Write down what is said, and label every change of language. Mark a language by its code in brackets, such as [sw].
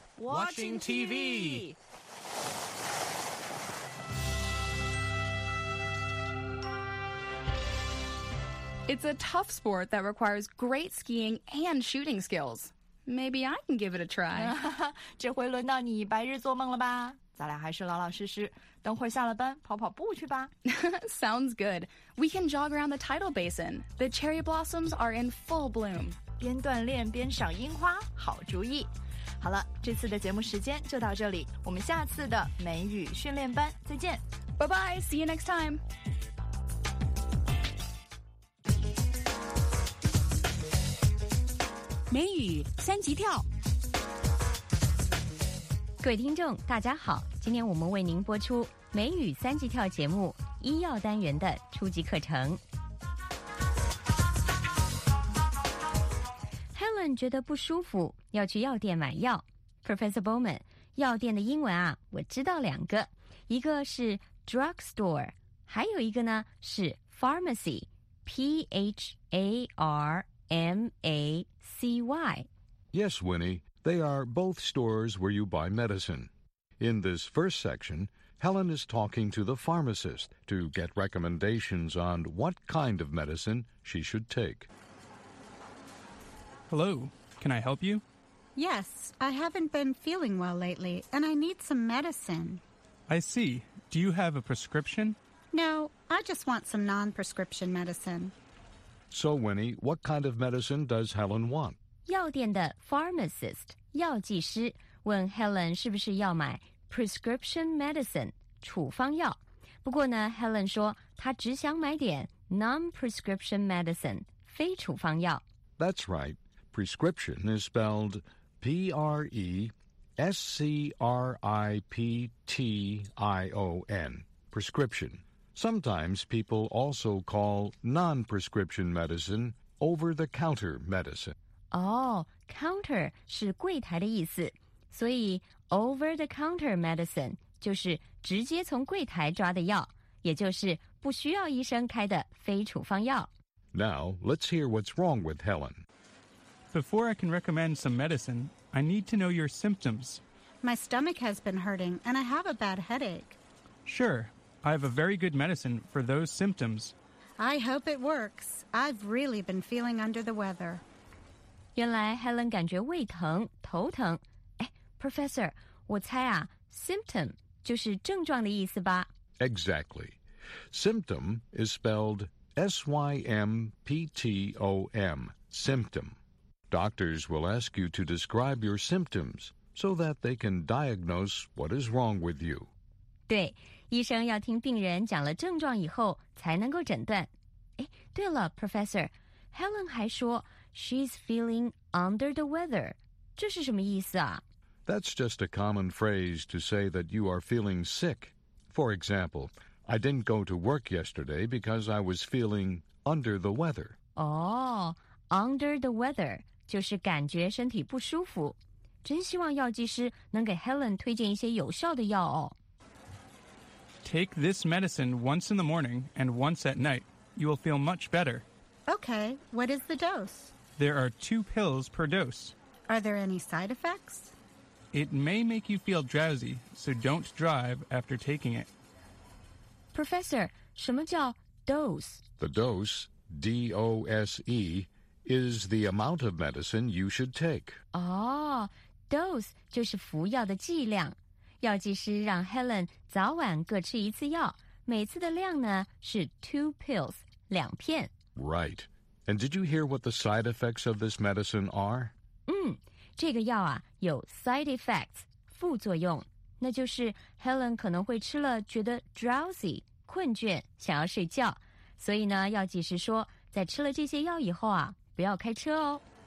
[en] Watching TV! It's a tough sport that requires great skiing and shooting skills. Maybe I can give it a try. [zh] 这回轮到你白日做梦了吧？咱俩还是老老实实，等会下了班跑跑步去吧。 [en] Sounds good. We can jog around the tidal basin. The cherry blossoms are in full bloom. [zh] 边锻炼边赏樱花，好主意。好了，这次的节目时间就到这里，我们下次的美语训练班再见。 [en] Bye bye, see you next time. [zh] 美语三级跳。各位听众大家好，今天我们为您播出美语三级跳节目医药单元的初级课程。 Helen 觉得不舒服，要去药店买药。Professor Bowman， 药店的英文啊，我知道两个，一个是 drugstore， 还有一个呢是 pharmacy， P-H-A-R-M-A-C-Y。 [en] Yes, Winnie, they are both stores where you buy medicine. In this first section, Helen is talking to the pharmacist to get recommendations on what kind of medicine she should take. Hello, can I help you? Yes, I haven't been feeling well lately, and I need some medicine. I see. Do you have a prescription? No, I just want some non-prescription medicine. So, Winnie, what kind of medicine does Helen want? [zh] 药店的 pharmacist, 药剂师问 Helen 是不是要买 prescription medicine, 处方药。不过呢 ,Helen 说她只想买点 non-prescription medicine, 非处方药。 [en] That's right. Prescription is spelled P-R-E-S-C-R-I-P-T-I-O-N. Prescription. Sometimes people also call non-prescription medicine over-the-counter medicine. [zh] Oh, counter 是柜台的意思。所以 over-the-counter medicine 就是直接从柜台抓的药，也就是不需要医生开的非处方药。 [en] Now, let's hear what's wrong with Helen. Before I can recommend some medicine, I need to know your symptoms. My stomach has been hurting, and I have a bad headache. Sure, I have a very good medicine for those symptoms. I hope it works. I've really been feeling under the weather. [zh] 原来 Helen 感觉胃疼、头疼。哎 ,Professor, 我猜啊 ,symptom 就是症状的意思吧。 [en] Exactly. Symptom is spelled S-Y-M-P-T-O-M, symptom. Doctors will ask you to describe your symptoms so that they can diagnose what is wrong with you. [zh] 对，医生要听病人讲了症状以后才能够诊断。哎，对了 ，Professor， Helen 还说 [en] she's feeling under the weather. [zh] 这是什么意思啊 [en] ？That's just a common phrase to say that you are feeling sick. For example, I didn't go to work yesterday because I was feeling under the weather. Oh. Under the weather, [zh] 就是感觉身体不舒服。真希望药剂师能给 Helen 推荐一些有效的药哦。 [en] Take this medicine once in the morning and once at night. You will feel much better. Okay, what is the dose? There are 2 pills per dose. Are there any side effects? It may make you feel drowsy, so don't drive after taking it. [zh] Professor, 什么叫 dose? [en] The dose, D-O-S-E,is the amount of medicine you should take. [zh] Oh, dose 就是服药的剂量。药剂师让 Helen 早晚各吃一次药，每次的量呢是 [en] 2 pills, [zh] 两片。 [en] Right. And did you hear what the side effects of this medicine are? [zh] 这个药啊有 side effects, 副作用。那就是 Helen 可能会吃了觉得 drowsy, 困倦，想要睡觉。所以呢药剂师说在吃了这些药以后啊不要开车哦。